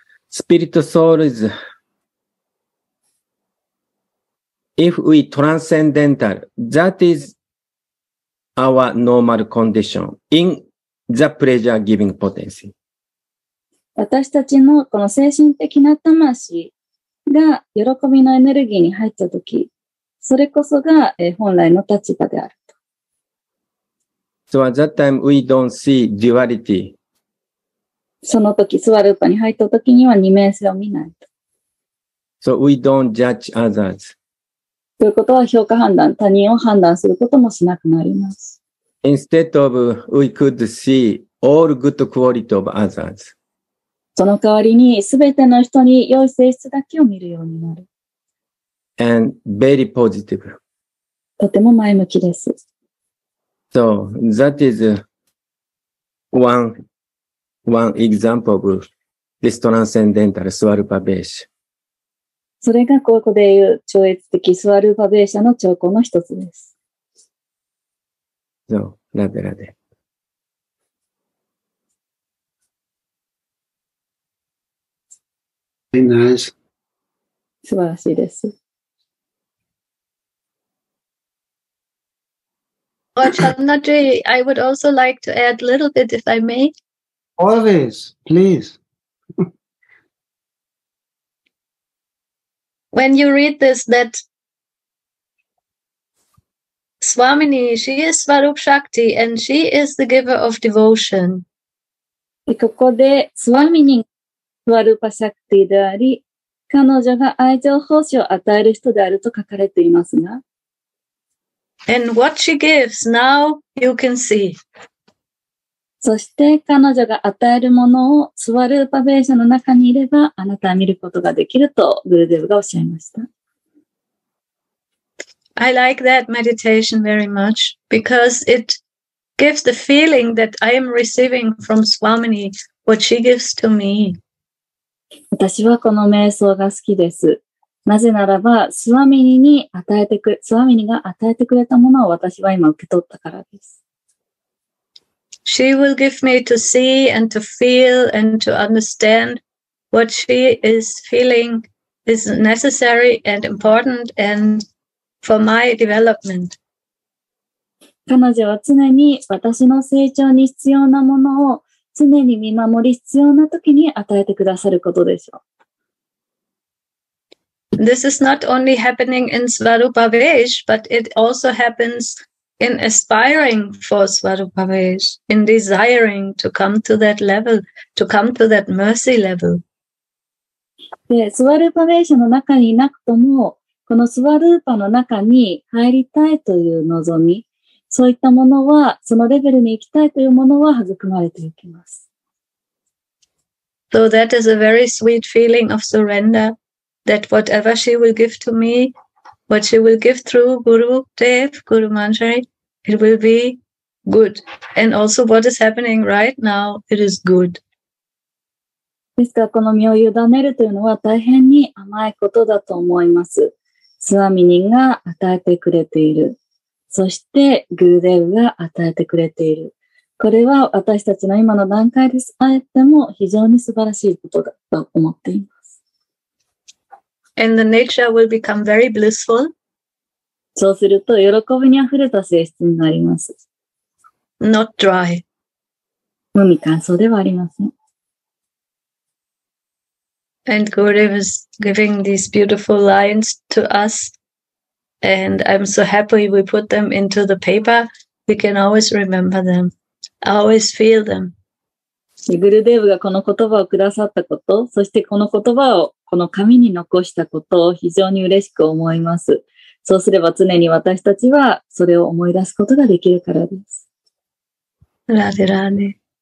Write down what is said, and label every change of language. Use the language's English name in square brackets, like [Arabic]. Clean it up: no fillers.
[English] Spirit soul is, if we transcendental, that is our normal condition in the pleasure giving potency. [Japanese] 私たちのこの精神的な魂が喜びのエネルギーに入ったとき、それこそが本来の立場であると。 [English] So at that time we don't see duality. [Japanese] そのとき、スワルーパに入ったときには二面性を見ないと。 [English] So we don't judge others. [Japanese] ということは評価判断、他人を判断することもしなくなります。 [English] Instead of we could see all good quality of others. [Japanese] その代わりに、すべての人に良い性質だけを見るようになる。 [English] And very positive. [Japanese] とても前向きです。 [English] So, that is one example of this transcendental Svarupa Vesha. [Japanese] それがここでいう超越的Svarupa Veshaの兆候の一つです。 [English] So, radha radha. [Japanese] 素晴らしいです。 [English] Achana Ji, I would also like to add a little bit, if I may. Always, please. When you read this, that Swamini, she is Swarup Shakti, and she is the giver of devotion. [Japanese] ここで Swamini. スワルーパシャクティであり、彼女が愛情奉仕を与える人であると書かれていますが。 [English] And what she gives, now you can see. [Japanese] そして彼女が与えるものをスワルーパベーシャの中にいれば、あなたは見ることができるとグルデブがおっしゃいました。 [English] I like that meditation very much because it gives the feeling that I am receiving from Swamini what she gives to me. [Japanese] 私はこの瞑想が好きです。なぜならば、スワミニに与えてく、スワミニが与えてくれたものを私は今受け取ったからです。 [English] She will give me to see and to feel and to understand what she is feeling is necessary and important and for my development. [Japanese] 彼女は常に私の成長に必要なものを常に見守り必要な時に与えてくださることでしょう。 [English] This is not only happening in Svarupa Vesh, but it also happens in aspiring for Svarupa Vesh, in desiring to come to that level, to come to that mercy level. [Japanese] で、Svarupa Veshの中にいなくとも、このSvarupaの中に入りたいという望み、そういったものは、そのレベルに行きたいというものは育まれていきます。 [English] So that is a very sweet feeling of surrender, that whatever she will give to me, what she will give through Guru Dev, Guru Manjari, it will be good. And also what is happening right now, it is good. [Japanese] ですから、この身を委ねるというのは大変に甘いことだと思います。スワミニが与えてくれている。そしてグルデーブが与えてくれている。これは私たちの今の段階です。あえても非常に素晴らしいことだと思っています。 [English] And the nature will become very blissful. [Japanese] そうすると喜びにあふれた性質になります。 [English] Not dry. [Japanese] 無味乾燥ではありません。 [English] And Gurudev is giving these beautiful lines to us. And I'm so happy we put them into the paper. We can always remember them. I always feel them. [Japanese] グルデーブがこの言葉をくださったこと、そしてこの言葉をこの紙に残したことを非常に嬉しく思います。そうすれば常に私たちはそれを思い出すことができるからです。ラデラーネ。